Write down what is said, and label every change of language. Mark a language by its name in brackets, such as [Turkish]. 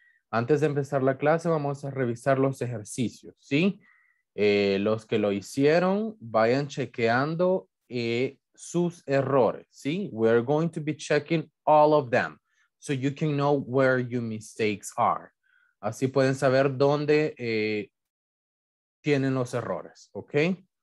[Spanish] Antes de empezar la clase, vamos a revisar los ejercicios, ¿sí? Los que lo hicieron, vayan chequeando sus errores, ¿sí? [English] We're going to be checking all of them so you can know where your mistakes are. [Spanish] Así pueden saber dónde tienen los errores, okay?